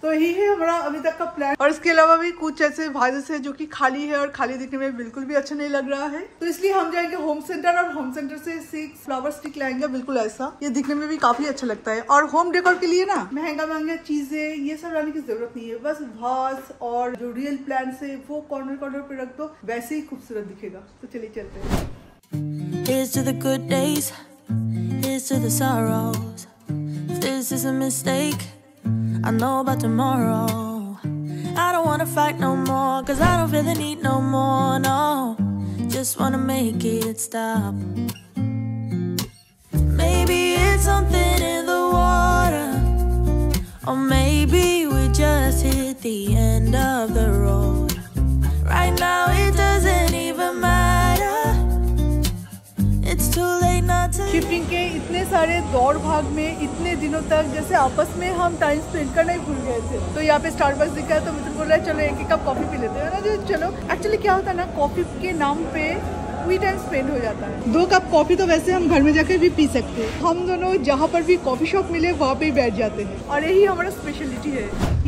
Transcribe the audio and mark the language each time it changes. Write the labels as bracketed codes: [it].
[hi] तो यही है हमारा अभी तक का प्लान। और इसके अलावा भी कुछ ऐसे वाजेस है जो कि खाली है और खाली दिखने में बिल्कुल भी अच्छा नहीं लग रहा है, तो इसलिए हम जाएंगे होम सेंटर और होम सेंटर से 6 फ्लावर स्टिक लाएंगे, बिल्कुल ऐसा, ये दिखने में भी काफी अच्छा लगता है। और होम डेकोर के लिए ना महंगा महंगा चीजें ये सब लाने की जरूरत नहीं है, बस वाज और जो रियल प्लांट्स है वो कॉर्नर कॉर्नर पे रख दो, वैसे ही खूबसूरत दिखेगा। तो चलिए चलते हैं। [en] Here's to the good days, here's to the sorrows, this is a mistake, I know about tomorrow, I don't wanna fight no more, cause I don't feel the need no more, no, just wanna make it stop. Maybe it's something in the water, or maybe we just hit the end of the road. Right now it doesn't even matter, it's too late not to. [hi] Shipping के इतने सारे दौड़ भाग में इतने दिनों तक जैसे आपस में हम टाइम स्पेंड करना ही भूल गए थे, तो यहाँ पे स्टारबक्स दिखा है तो मित्र बोल रहा है चलो एक एक कप कॉफी पी लेते हैं ना, जो चलो एक्चुअली क्या होता है ना, कॉफी के नाम पे टाइम स्पेंड हो जाता है। 2 कप कॉफी तो वैसे हम घर में जाकर भी पी सकते हैं, हम दोनों जहाँ पर भी कॉफी शॉप मिले वहाँ पे ही बैठ जाते हैं और यही हमारा स्पेशलिटी है।